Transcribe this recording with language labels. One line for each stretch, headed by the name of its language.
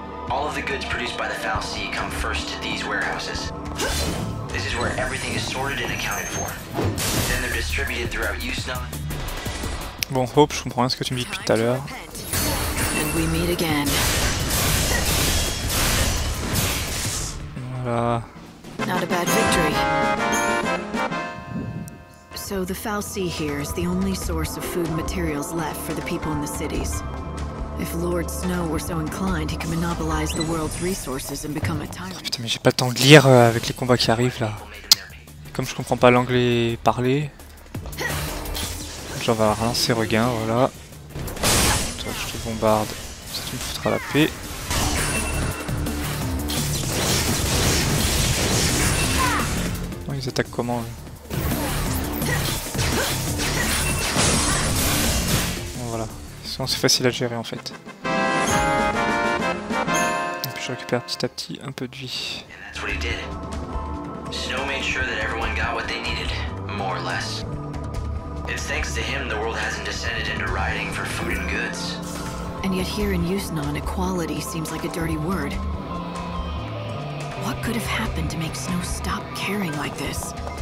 English: All of the goods produced by the Falci come first to these warehouses. This is where everything is sorted and accounted for. Then they're distributed throughout Usnum.
French: Bon, Hope, je comprends ce que tu me dis depuis tout à l'heure.
English: And we meet again.
French: Voilà.
English: Not a bad victory. So the Falci here is the only source of food materials left for the people in the cities. If Lord Snow were so inclined, he could monopolize the world's resources and become a tyrant.
French: Oh putain, mais j'ai pas le temps de lire avec les combats qui arrivent là. Comme je comprends pas l'anglais parlé, j'en vais relancer Regain, voilà. Toi, je te bombarde, ça tu me foutras la paix. Ils attaquent comment eux? C'est facile à gérer en fait. Et puis je récupère petit à petit un peu de vie.
English: Snow made sure that everyone got what they needed, more or less. It's thanks to him the world hasn't descended into rioting for food and goods. And yet here in Usnon, equality seems like a dirty word. What could have happened to make Snow stop caring like this?